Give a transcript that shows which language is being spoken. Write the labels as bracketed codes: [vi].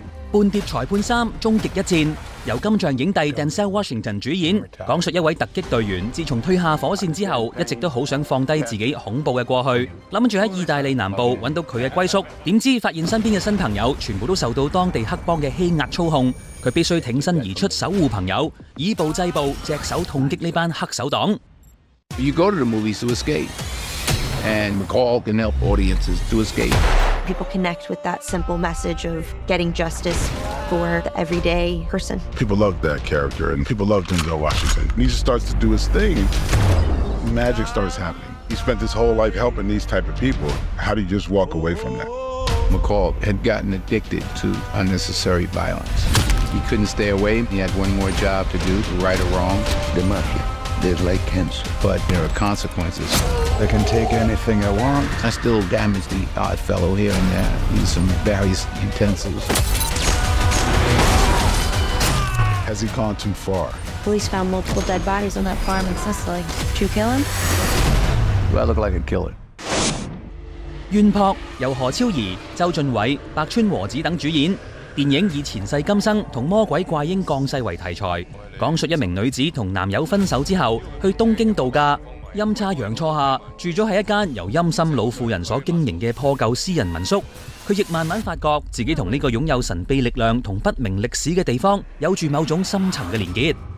[yue] 半碟裁判三终极一战由金像影帝 Denzel Washington 主演，讲述一位突击队员自从退下火线之后，一直都好想放低自己恐怖的过去，想着在意大利南部找到他的归宿，怎知发现身边的新朋友全部都受到当地黑帮的欺压操控，他必须挺身而出守护朋友，以暴制暴，隻手痛击这班黑手党。 [en] You go to the movies to escape and McCall can help audiences to escape People connect with that simple message of getting justice for the everyday person. People love that character, and people love Denzel Washington. When he just starts to do his thing, magic starts happening. He spent his whole life helping these type of people. How do you just walk away from that? McCall had gotten addicted to unnecessary violence. He couldn't stay away. He had one more job to do, right or wrong. The mafia. They're like cancer, but there are consequences. They can take anything I want. I still damage the odd fellow here and there. Use some various utensils. Has he gone too far? Police found multiple dead bodies on that farm in Sicily. Did you kill him? Do I look like a killer? [yue] 袁朴由何超儀、周俊偉、白川和子等主演。电影以前世今生和魔鬼怪婴降世为题材，讲述一名女子和男友分手之后去东京度假，阴差阳错下住了在一间由阴森老妇人所经营的破旧私人民宿，她亦慢慢发觉自己和这个拥有神秘力量和不明历史的地方有着某种深层的连结。